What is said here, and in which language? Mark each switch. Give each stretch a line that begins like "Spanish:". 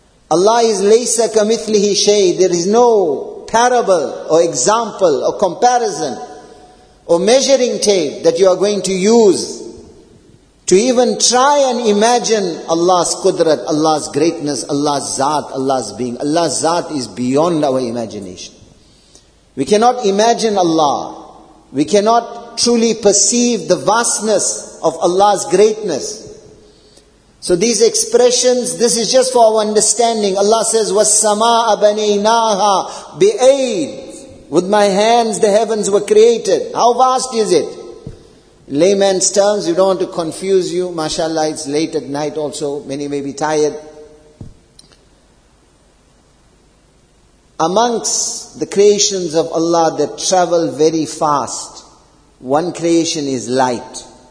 English: Allah is
Arabic: laysa kamithlihi shay.
English: There is no parable or example or comparison or measuring tape that you are going to use to even try and imagine Allah's qudrat, Allah's greatness, Allah's zat, Allah's being. Allah's zat is beyond our imagination. We cannot imagine Allah. We cannot truly perceive the vastness of Allah's greatness. So these expressions, this is just for our understanding. Allah says,
Arabic: وَالسَّمَاءَ بَنَيْنَاهَا بِأَيْدٍ.
English: With my hands the heavens were created. How vast is it? Layman's terms, we don't want to confuse you. MashaAllah, it's late at night also. Many may be tired. Amongst the creations of Allah that travel very fast, one creation is light.